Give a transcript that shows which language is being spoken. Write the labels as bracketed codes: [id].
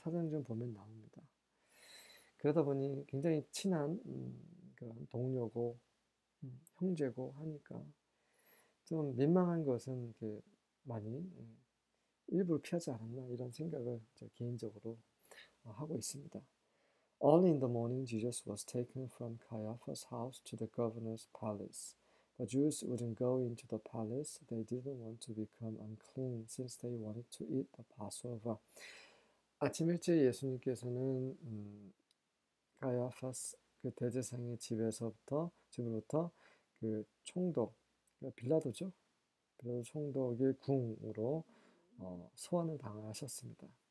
[ko] 사도행전 보면 나옵니다. 그러다 보니 굉장히 친한 그런 동료고 형제고 하니까 좀 민망한 것은 많이 일부러 피하지 않았나 이런 생각을 저 개인적으로 하고 있습니다. [en] Early in the morning, Jesus was taken from Caiaphas' house to the governor's palace. The Jews wouldn't go into the palace. They didn't want to become unclean since they wanted to eat the Passover. [ko] 아침 일찍 예수님께서는 가야파스 그 대제사장의 집으로부터 그 총독 빌라도죠. 빌라도 총독의 궁으로 소환을 당하셨습니다.